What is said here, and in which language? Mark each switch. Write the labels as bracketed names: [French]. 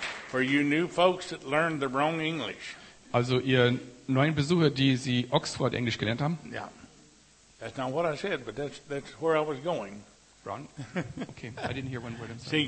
[English] For you new folks that learned the wrong English. [German] Also ihr neuen Besucher, die Sie Oxford Englisch gelernt haben. Ja, [English] that's not what I said, but that's where I was going. Wrong. Okay, I didn't hear one word. I'm sorry.